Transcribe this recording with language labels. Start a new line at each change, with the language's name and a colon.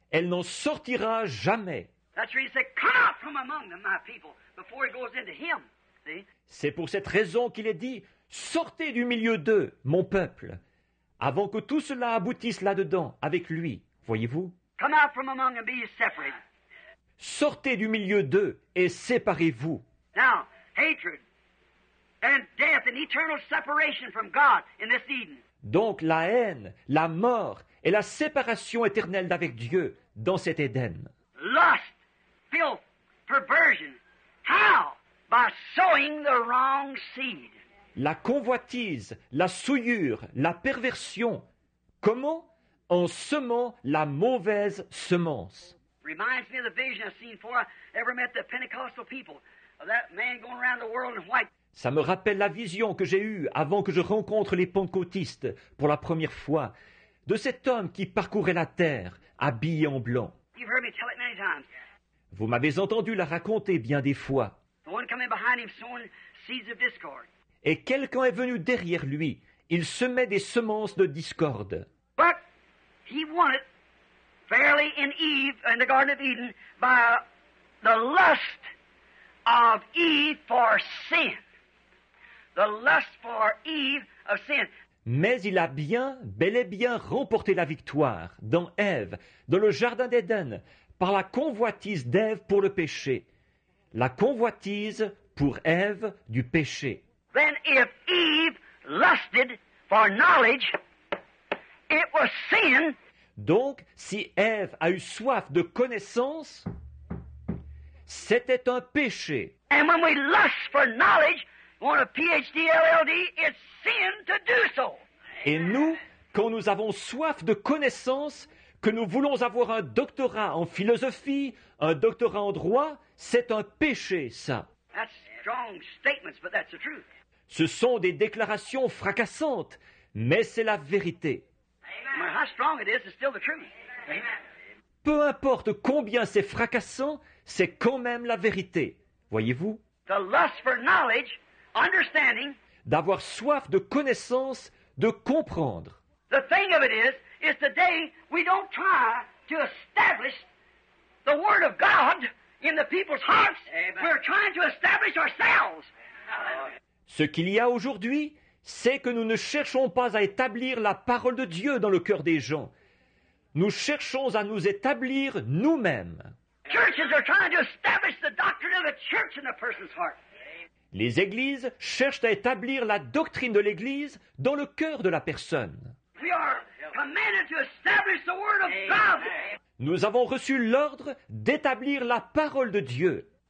French: Elle n'en sortira jamais.
English: That's why he said, come out from among them, my people, before he goes into him. See?
French: C'est pour cette raison qu'il est dit, sortez du milieu d'eux, mon peuple, avant que tout cela aboutisse là-dedans, avec lui, voyez-vous.
English: Come out from among them, be you separated.
French: Sortez du milieu d'eux et séparez-vous.
English: Now, hatred and death and eternal separation from God in this Eden.
French: Donc la haine, la mort et la séparation éternelle d'avec Dieu dans cet Éden.
English: Lust, filth, perversion. How? By sowing the wrong seed.
French: La convoitise, la souillure, la perversion. Comment? En semant la mauvaise semence.
English: Reminds me of the vision I've seen before I ever met the Pentecostal people. Of that man going around the world in white.
French: Ça me rappelle la vision que j'ai eue avant que je rencontre les pentecôtistes pour la première fois, de cet homme qui parcourait la terre habillé en blanc.
English: You've heard me tell it many times.
French: Vous m'avez entendu la raconter bien des fois.
English: The one coming behind him sowing seeds of discord.
French: Et quelqu'un est venu derrière lui. Il semait des semences de discorde.
English: But he won it fairly in Eve, in the Garden of Eden, by the lust of Eve for sin. The lust for Eve of sin.
French: Mais il a bien, bel et bien, remporté la victoire dans Ève, dans le jardin d'Éden, par la convoitise d'Ève pour le péché. La convoitise pour Ève du péché.
English: Then if Eve lusted for knowledge, it was sin.
French: Donc, si Ève a eu soif de connaissance, c'était un péché.
English: And when we lust for knowledge, want a PhD, LLD, it's sin to do so.
French: Et nous, quand nous avons soif de connaissance, que nous voulons avoir un doctorat en philosophie, un doctorat en droit, c'est un péché, ça.
English: That's strong statements, but that's the truth.
French: Ce sont des déclarations fracassantes, mais c'est la vérité.
English: Amen. How strong it is, it's still the truth. Amen.
French: Peu importe combien c'est fracassant, c'est quand même la vérité, voyez-vous.
English: The lust for knowledge. Understanding,
French: d'avoir soif de connaissance, de comprendre.
English: The thing of it is today we don't try to establish the word of God in the people's hearts. Amen. We're trying to establish ourselves.
French: Ce qu'il y a aujourd'hui, c'est que nous ne cherchons pas à établir la parole de Dieu dans le cœur des gens. Nous cherchons à nous établir nous-mêmes.
English: Churches are trying to establish the doctrine of the church in a person's heart.
French: Les églises cherchent à établir la doctrine de l'Église dans le cœur de la personne.
English: We are commanded to establish the word of God.
French: Nous avons reçu l'ordre d'établir la parole de Dieu.